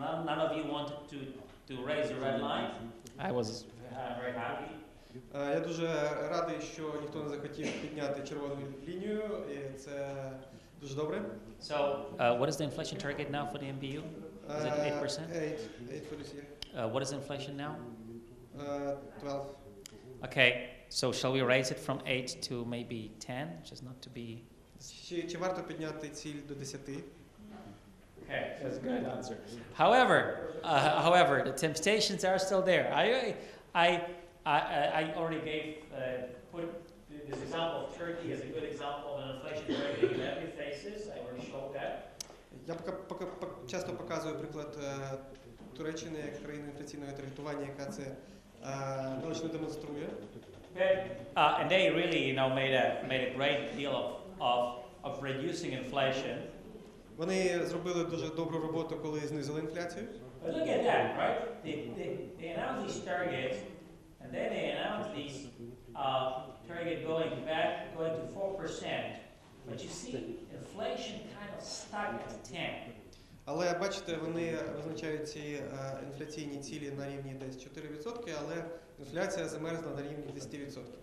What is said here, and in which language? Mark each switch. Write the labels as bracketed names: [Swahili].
[English] None of you wanted to raise a red line. I was very happy. [Ukrainian] Я дуже радий, що ніхто не захотів підняти червону лінію, і це дуже добре. [English] So, what is the inflation target now for the MBU? Is it 8%? 8 for this year. What is inflation now? 12. Okay, so shall we raise it from 8 to maybe 10, just not to be... [Ukrainian] Чи варто підняти ціль до 10? [English] Okay, that's a good answer. However, the temptations are still there. I already put this example of Turkey is a good example of an inflation rating that we faces. I already showed that. [Ukrainian] Я часто показую приклад Туреччини як країни інфляційного таргетування, яка це наочно демонструє. [English] And they really, you know, made a great deal of reducing inflation. [Ukrainian] Вони зробили дуже добру роботу, коли знизили інфляцію. [English] But look at that, right? They announced these targets, and then they announced these target going back, going to 4%. But you see, inflation kind of stuck at 10. [Ukrainian] Але бачите, вони визначають ці інфляційні цілі на рівні десь 4%, але інфляція замерзла на рівні 10%.